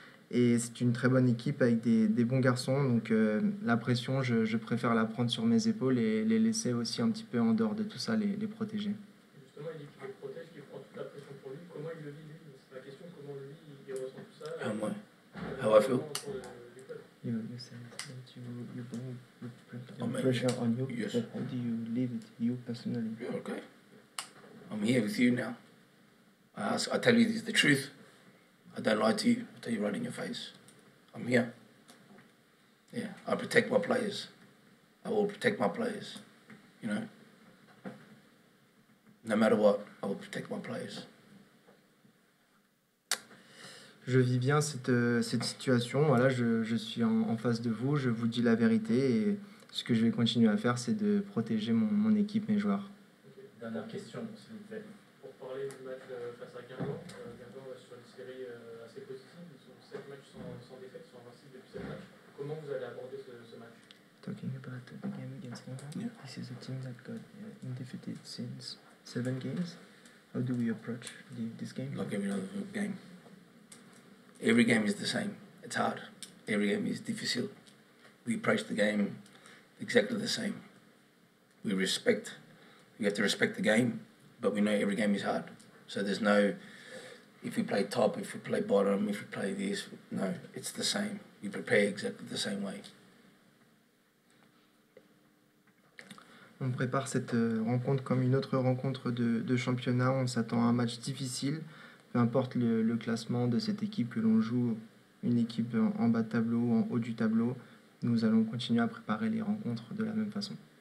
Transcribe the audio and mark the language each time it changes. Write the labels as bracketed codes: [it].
[fr] Et c'est une très bonne équipe avec des bons garçons. Donc la pression, je préfère la prendre sur mes épaules et les laisser aussi un petit peu en dehors de tout ça, les protéger. Justement, il dit qu'il les protège, qu'il prend toute la pression pour lui. Comment il le vit, lui ? C'est la question, comment lui, il ressent tout ça ? Ah, moi. [en] How I feel ? You said that you bring the pressure on you. Yes. But how do you live it, you personally? You're okay. I'm here with you now. I tell you this, the truth. I don't lie to you. I tell you right in your face. I'm here. Yeah, I protect my players. I will protect my players, you know. No matter what, I will protect my players. [fr] Je vis bien cette situation. Voilà, je suis en face de vous. Je vous dis la vérité. Et ce que je vais continuer à faire, c'est de protéger mon équipe, mes joueurs. [en] Okay. [fr] Dernière question, s'il vous plaît. Pour parler du match face à Guingamp est sur une série assez positive. Ils sont 7 matchs sans défaite, sont invincibles depuis 7 matchs. Comment vous allez aborder ce match ? [en] Talking about the game against Guingamp, this is a team that got undefeated since 7 games. How do we approach this game ? Like every other game. Every game is the same. It's hard. Every game is difficult. We approach the game exactly the same. We respect. We have to respect the game, but we know every game is hard. So there's no, if we play top, if we play bottom, if we play this, no, it's the same. We prepare exactly the same way. [fr] On prépare cette rencontre comme une autre rencontre de championnat. On s'attend à un match difficile. Peu importe le classement de cette équipe que l'on joue, une équipe en bas de tableau ou en haut du tableau, nous allons continuer à préparer les rencontres de la même façon.